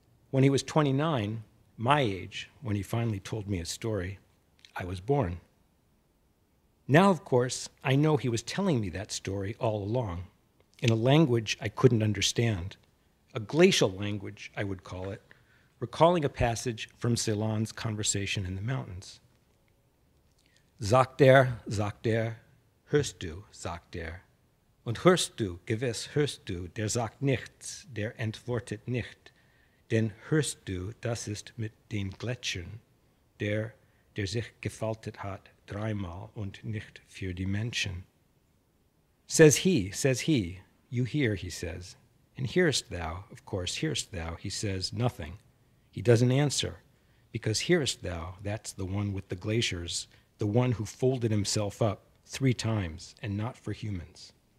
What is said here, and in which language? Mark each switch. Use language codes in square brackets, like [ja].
[en] When he was 29, my age, when he finally told me his story, I was born. Now, of course, I know he was telling me that story all along, in a language I couldn't understand, a glacial language, I would call it, recalling a passage from Ceylon's conversation in the mountains. [de] Sagt er, sagt er, hörst du, sagt er. Und hörst du, gewiss hörst du, der sagt nichts, der antwortet nicht. Denn hörst du, das ist mit den Gletschern, der sich gefaltet hat dreimal und nicht für die Menschen. [en] Says he, you hear, he says. And hearest thou, of course, hearest thou, he says nothing. He doesn't answer, because hearest thou, that's the one with the glaciers, the one who folded himself up three times and not for humans.